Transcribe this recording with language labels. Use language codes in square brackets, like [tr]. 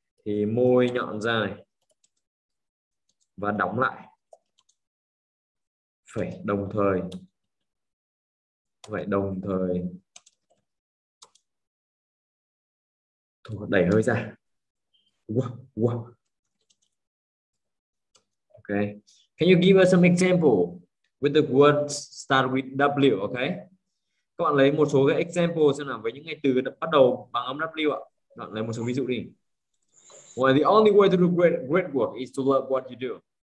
[vi] Thì môi nhọn ra này và đóng lại phải đồng thời đẩy hơi ra. [en] Okay, can you give us some example with the words start with W? [vi] Okay, các bạn lấy một số cái example xem nào, với những ngày từ bắt đầu bằng âm W ạ. Các bạn lấy một số ví dụ đi. [en] Well, the only way to do great work is to love what you do.